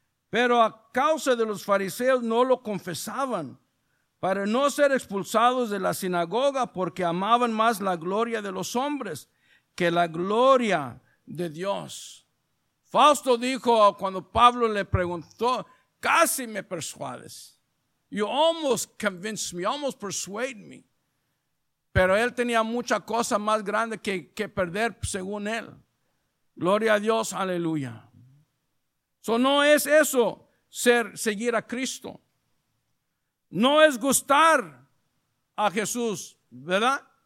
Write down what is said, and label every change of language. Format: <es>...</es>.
<es>Pero a causa de los fariseos no lo confesaban, para no ser expulsados de la sinagoga, porque amaban más la gloria de los hombres que la gloria de Dios. Fausto dijo cuando Pablo le preguntó, casi me persuades.</es> <en>You almost convinced me, almost persuade me.</en> <es>Pero él tenía mucha cosa más grande que perder según él. Gloria a Dios, aleluya. So no es eso ser seguir a Cristo. No es gustar a Jesús, ¿verdad?</es>